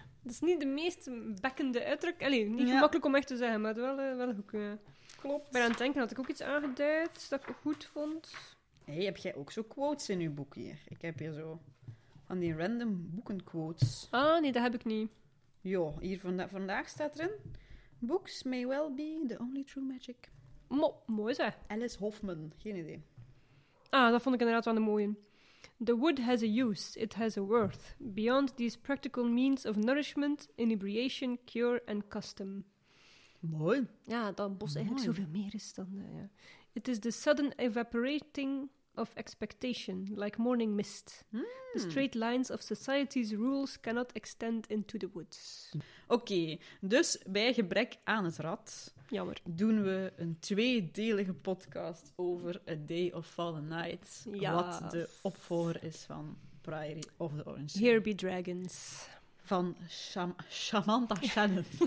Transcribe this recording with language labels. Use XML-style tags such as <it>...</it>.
<nl>Dat is niet de meest bekkende uitdruk. Allee, niet gemakkelijk om echt te zeggen, maar wel een hoek. Klopt. Ik ben aan het denken dat ik ook iets aangeduid dat ik goed vond. Hey, heb jij ook zo quotes in je boek hier? Ik heb hier zo van die random boekenquotes. Ah, nee, dat heb ik niet. Jo, hier vandaag staat erin.</nl> <en>Books may well be the only true magic.</en> <nl>Mooi zeg. Alice Hoffman, geen idee. Ah, dat vond ik inderdaad wel een mooie.</nl> <en>The wood has a use, it has a worth, beyond these practical means of nourishment, inebriation, cure and custom.</en> <nl>Mooi. Ja, dat bos eigenlijk zoveel meer is dan...</nl> <en>It is the sudden evaporating of expectation, like morning mist. Mm. The straight lines of society's rules cannot extend into the woods.</en> <nl>Oké, dus bij gebrek aan het rad... Jammer. ...doen we een tweedelige podcast over A Day of Fallen Nights. Ja. Wat de opvolger is van Priory of the Orange.</nl> <en>Here be dragons.</en> <nl>Van Samantha Shannon.</nl>